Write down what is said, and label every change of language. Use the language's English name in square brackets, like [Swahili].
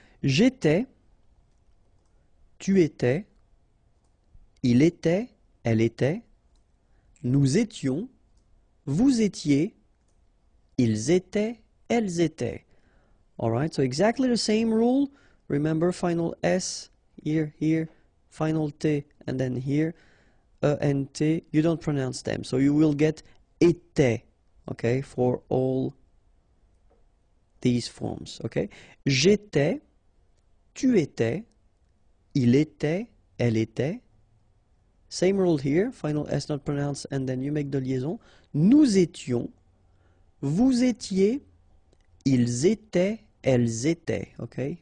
[French] J'étais, tu étais, il était, elle était, nous étions, vous étiez, ils étaient, elles étaient. [English] Alright, so exactly the same rule. Remember, final S, here, here, final T, and then here, E-N-T, you don't pronounce them. So you will get était, okay, for all these forms, okay? [French] J'étais, tu étais, il était, elle était. [English] Same rule here, final S not pronounced, and then you make the liaison. [French] Nous étions, vous étiez, ils étaient, elles étaient, okay?